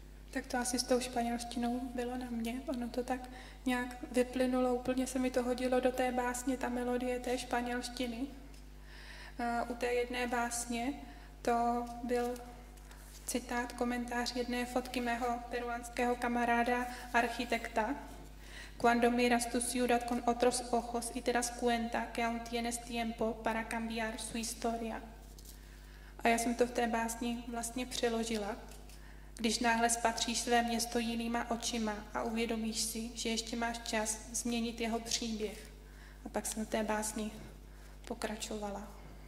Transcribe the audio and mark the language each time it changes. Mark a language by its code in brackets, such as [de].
[cs] Tak to asi s tou španělštinou bylo na mě, ono to tak nějak vyplynulo, úplně se mi to hodilo do té básně, ta melodie té španělštiny. U té jedné básně to byl citát, komentář jedné fotky mého peruánského kamaráda, architekta. [es] Cuando miras tu ciudad con otros ojos y te das cuenta que aún tienes tiempo para cambiar su historia. [cs] A já jsem to v té básni vlastně přeložila. Když náhle spatříš své město jinýma očima a uvědomíš si, že ještě máš čas změnit jeho příběh. A pak jsem v té básni pokračovala.